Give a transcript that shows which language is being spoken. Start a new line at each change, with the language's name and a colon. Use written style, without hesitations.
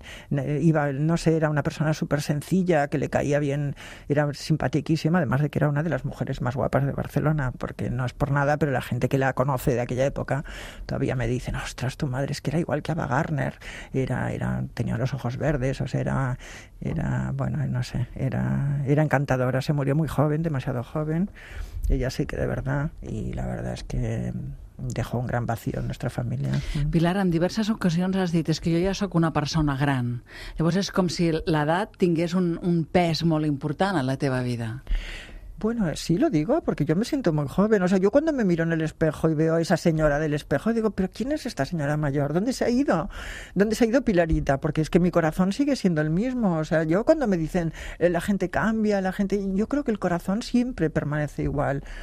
Spanish: iba, no sé, era una persona súper sencilla, que le caía bien, era simpatiquísima, además de que era una de las mujeres más guapas de Barcelona, porque no es por nada, pero la gente que la conoce de aquella época todavía me dicen, ostras, tu madre es que era igual que Ava Gardner, era tenía los ojos verdes, o sea, era bueno, no sé, era encantadora. Se murió muy joven, demasiado joven, ella sí que de verdad, y la verdad es que dejó un gran vacío en nuestra familia.
Catalan: Pilar, en diverses ocasions has dit, és que jo ja sóc una persona gran. Llavors és com si l'edat tingués un pes molt important a la teva vida.
Spanish: Bueno, sí lo digo, porque yo me siento muy joven. O sea, yo cuando me miro en el espejo y veo a esa señora del espejo, digo, ¿pero quién es esta señora mayor? ¿Dónde se ha ido? ¿Dónde se ha ido Pilarita? Porque es que mi corazón sigue siendo el mismo. O sea, yo cuando me dicen, la gente cambia, la gente... Yo creo que el corazón siempre permanece igual.